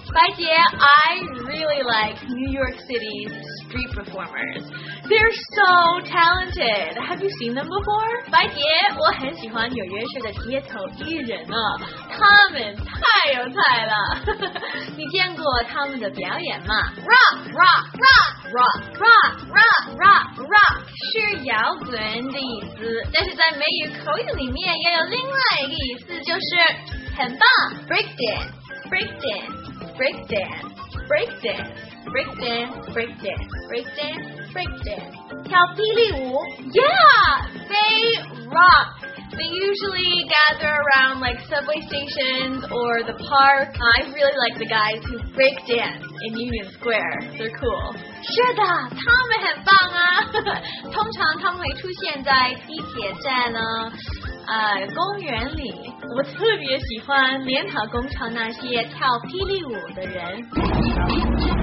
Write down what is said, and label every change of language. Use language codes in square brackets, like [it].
[zh] 街头艺人，白姐 [en] I really like New York City's street performers. They're so talented. Have you seen them before? [zh] 白姐，我很喜欢纽约市的街头艺人啊，他们太有才了。你见过他们的表演吗？ [en] Rock, rock, rock. Rock, rock, rock, rock, rock [zh] 是摇滚的意思，但是在美语口语里面也有另外一个意思，就是很棒。 [en] Break dance, break dance, break dance, break dance, break dance, break dance, break dance, break dance, break dance. [zh] 跳霹雳舞。 [en] Yeah, they rock. They usually gather around like subway stations or the park. I really like the guys who break dance. In Union Square, they're cool. [zh] 是的，他们很棒啊。通常他们会出现在地铁站呢，公园里。我特别喜欢联合广场那些跳霹雳舞的人。